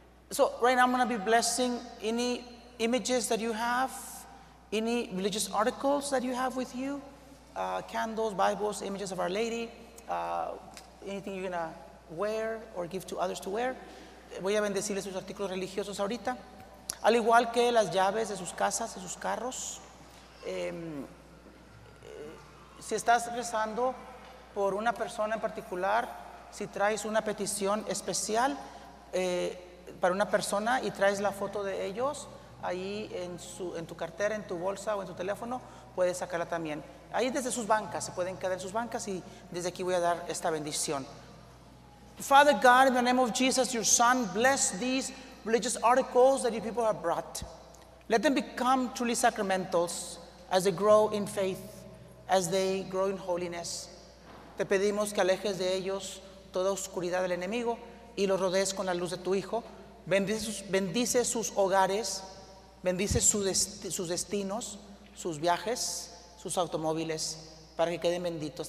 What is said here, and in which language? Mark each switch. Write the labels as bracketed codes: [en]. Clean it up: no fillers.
[en] So right now I'm going to be blessing any images that you have, any religious articles that you have with you, candles, Bibles, images of Our Lady, anything you're going to wear or give to others to wear. [es] Voy a bendecirles sus artículos religiosos ahorita, al igual que las llaves de sus casas, de sus carros. Si estás rezando por una persona en particular, si traes una petición especial para una persona y traes la foto de ellos ahí en tu cartera, en tu bolsa o en tu teléfono, puedes sacarla también. Ahí desde sus bancas, se pueden quedar en sus bancas y desde aquí voy a dar esta bendición. [en] Father God, in the name of Jesus, your Son, bless these religious articles that your people have brought. Let them become truly sacramentals as they grow in faith. as they grow in holiness. [es] Te pedimos que alejes de ellos toda oscuridad del enemigo y los rodees con la luz de tu Hijo. Bendice sus hogares, bendice sus destinos, sus viajes, sus automóviles, para que queden benditos.